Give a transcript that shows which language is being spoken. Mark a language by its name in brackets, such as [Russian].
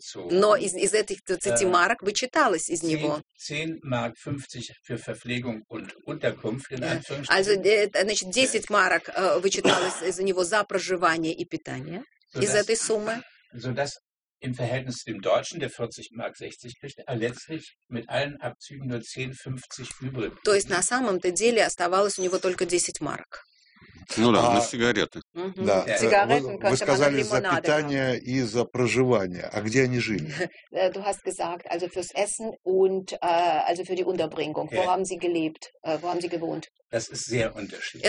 [Russian] Но из этих 20 марок вычиталось из него. 10 марок вычиталось из него за проживание и питание из этой суммы. [German] Im Verhältnis zu dem Deutschen, der 40 Mark 60 kriegt, а letztlich mit allen Abzügen nur 10,50 übrig. [Russian] То есть на самом-то деле оставалось у него только 10 марок. Ну да, на сигареты. Да. Вы сказали за питание и за проживание. А где они жили? [German] Du hast gesagt, also fürs Essen und also für die Unterbringung. Wo haben sie gelebt? Wo haben sie gewohnt? Das ist sehr unterschiedlich.